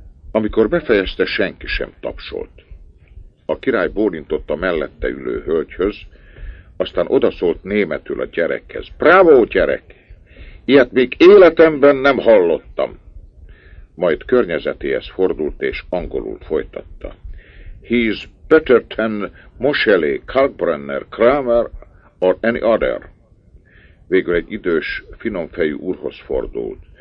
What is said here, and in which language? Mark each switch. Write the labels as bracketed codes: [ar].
[hu] Amikor befejezte, senki sem tapsolt. A király bólintott a mellette ülő hölgyhöz, aztán odaszólt németül a gyerekhez. [de] Bravo, gyerek! [hu] Ilyet még életemben nem hallottam. Majd környezetéhez fordult és angolul folytatta. [en] He's better than Moscheli, Kalkbrenner, Kramer or any other. [hu] Végül egy idős, finomfejű úrhoz fordult.